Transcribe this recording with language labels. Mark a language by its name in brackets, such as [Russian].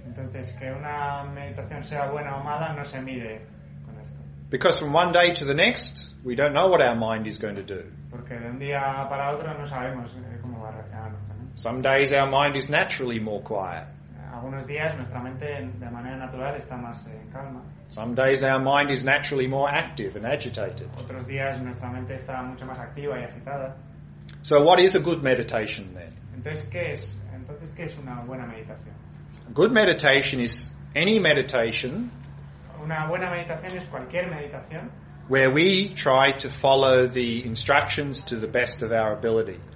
[Spanish] Entonces, que una meditación sea buena o mala no se mide con esto. [English] Because from one day to the next, we don't know what our mind is going to do. [Spanish] Porque de un día para otro no sabemos cómo va a reaccionar. [English] Some days our mind is naturally more quiet. [Spanish] Algunos días nuestra mente de manera natural está más en calma. [English] Some days our mind is naturally more active and agitated. [Spanish] Otros días nuestra mente está mucho más activa y agitada. [English] So what is a good meditation then? [Spanish] Entonces, ¿qué es una buena meditación? [English] Good meditation is any meditation. [Spanish] Una buena meditación es cualquier meditación. [English] Where we try to follow the instructions to the best of our ability.